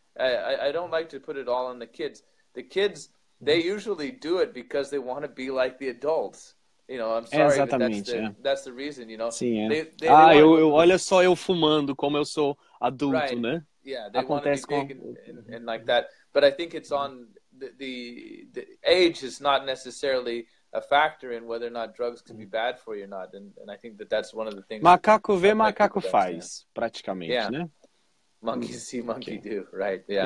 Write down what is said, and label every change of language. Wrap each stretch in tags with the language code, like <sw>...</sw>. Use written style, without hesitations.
<en>I don't like to put it all on the kids. The kids, they usually do it because they want to be like the adults. You know, I'm sorry, that's the reason. You know,</en> <pt>sim, eu olha só eu fumando como eu sou adulto,</pt> <en>right.</en> <pt>Né?</pt> <en>Yeah, they want to be big and like that. But I think it's on the age is not necessarily a factor in whether or not drugs can be bad for you or not. And I think that's one of the things.</en> <pt>Macaco vê, macaco faz, praticamente,</pt> <en>yeah.</en> <pt>Né?</pt> <en>Monkey see, monkey do, right? Yeah,</en>